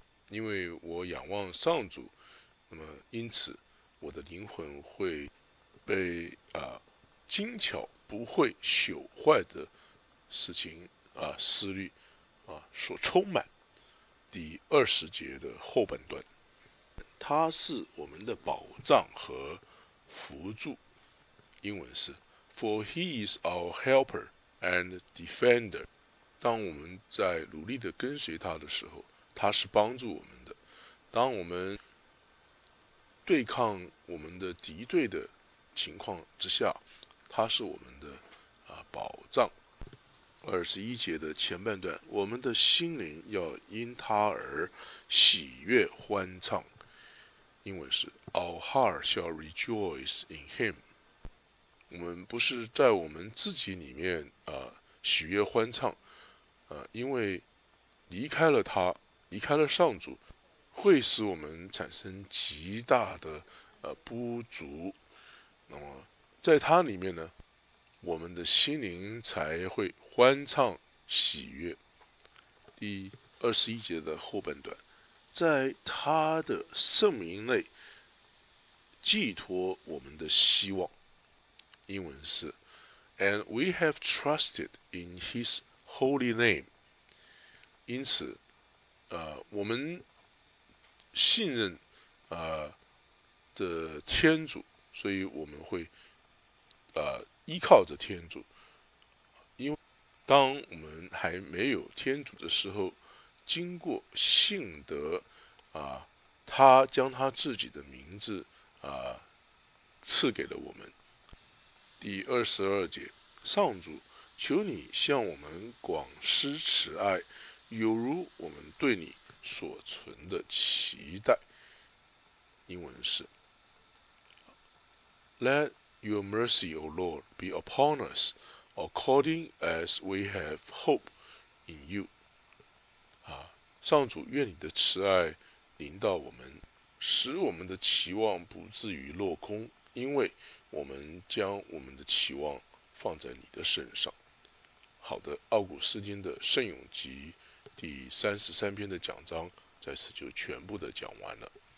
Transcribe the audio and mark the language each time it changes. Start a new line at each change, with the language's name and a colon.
Chinese: 因为我仰望上主，那么因此我的灵魂会被精巧不会朽坏的事情思虑所充满。第二十节的后半段，他是我们的保障和扶助。英文是
English: For he is our helper and defender.
Chinese: 当我们在努力的跟随他的时候，他是帮助我们的。当我们对抗我们的敌对的情况之下，他是我们的保障。二十一节的前半段，我们的心灵要因他而喜悦欢唱。英文是
English: Our heart shall rejoice in him.
Chinese: 我们不是在我们自己里面喜悦欢唱因为离开了他，离开了上主，会使我们产生极大的不足。那么在他里面呢，我们的心灵才会欢唱喜悦。第二十一节的后半段，在他的圣名内寄托我们的希望。英文是
English: And we have trusted in his holy name.
Chinese: 因此我们信任的天主，所以我们会依靠着天主。因为当我们还没有天主的时候，经过信德他将他自己的名字赐给了我们。第二十二节，上主，求你向我们广施慈爱，有如我们对你所存的期待。英文是
English: Let your mercy, O Lord, be upon us, according as we have hope in you.
Chinese: 上主，愿你的慈爱临到我们，使我们的期望不至于落空，因为我们将我们的期望放在你的身上。好的，奥古斯丁的聖咏集第33篇的讲章在此就全部的讲完了。